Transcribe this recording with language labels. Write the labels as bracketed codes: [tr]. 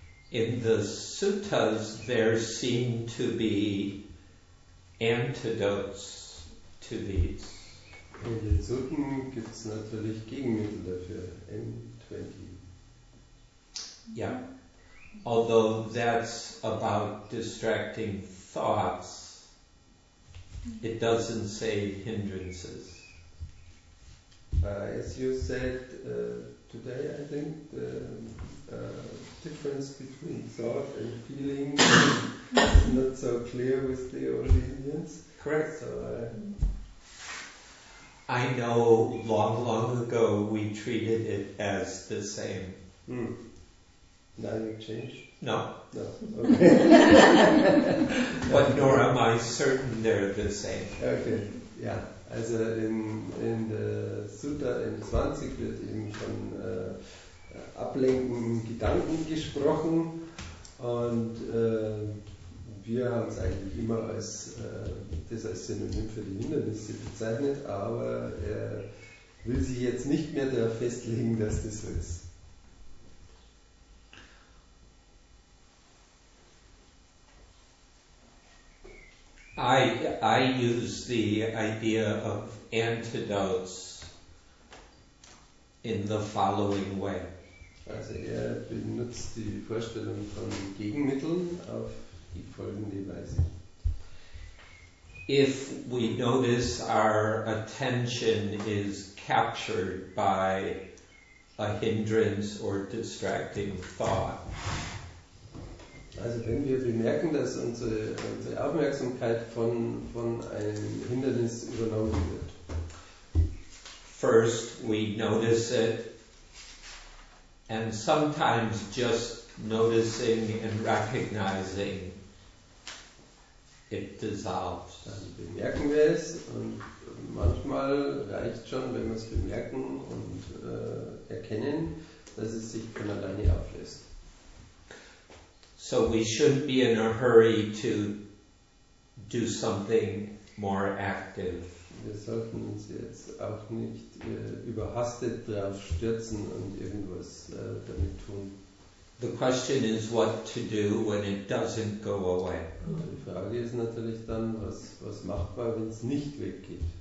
[en] In the suttas, there seem to be antidotes to these. [de] In den Sutten gibt es natürlich Gegenmittel dafür, N20. Ja. [en] Although that's about distracting thoughts, it doesn't say hindrances. As you said today, I think, the difference between thought and feeling is not so clear with the old Indians. Correct. So I know long, long ago we treated it as the same. Hmm. Now you've changed? No. No, okay. But nor am I certain they're the same. Okay, yeah. [de] Also [en] in the [de] Sutta N20 wird eben von ablenkenden Gedanken gesprochen und wir haben es eigentlich immer als das als Synonym für die Hindernisse bezeichnet, aber er will sich jetzt nicht mehr darauf festlegen, dass das so ist. [en] I use the idea of antidotes in the following way. [de] Also benutzt die Vorstellung von Gegenmitteln auf die folgende Weise. [en] If we notice our attention is captured by a hindrance or distracting thought. [de] Also wenn wir bemerken, dass unsere Aufmerksamkeit von einem Hindernis übernommen wird. [en] First we notice it, and sometimes just noticing and recognizing it dissolves. [de] Dann bemerken wir es und manchmal reicht schon, wenn wir es bemerken und erkennen, dass es sich von alleine auflöst. [en] So we shouldn't be in a hurry to do something more active. [de] Wir sollten uns jetzt auch nicht überhastet drauf stürzen und irgendwas damit tun. [en] The question is what to do when it doesn't go away. [de] Und die Frage ist natürlich dann, was macht man, wenn es nicht weggeht?